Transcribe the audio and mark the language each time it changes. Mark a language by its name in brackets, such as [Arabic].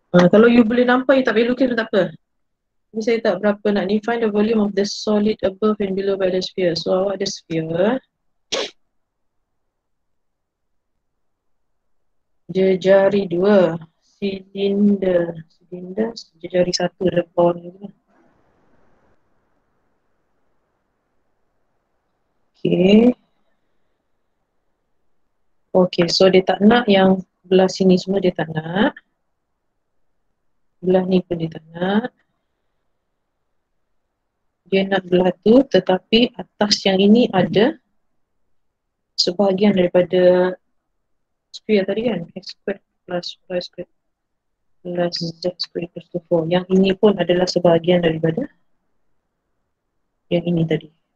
[Malay] Kalau you boleh nampak, you tak boleh lukis pun tak apa. Ini saya tak berapa nak ni. [English] Find the volume of the solid above and below by the sphere. [Malay] So, awak ada sphere. Jejari dua. Silinder. Silinder. Jejari satu. The bond. Okay. Okay, so dia tak nak yang belah sini semua dia tak nak. Belah ni pun dia tak nak. Dia nak belah tu tetapi atas yang ini ada sebahagian daripada sphere tadi kan? X squared plus Y squared plus Z squared plus 4. Yang ini pun adalah sebahagian daripada yang ini tadi.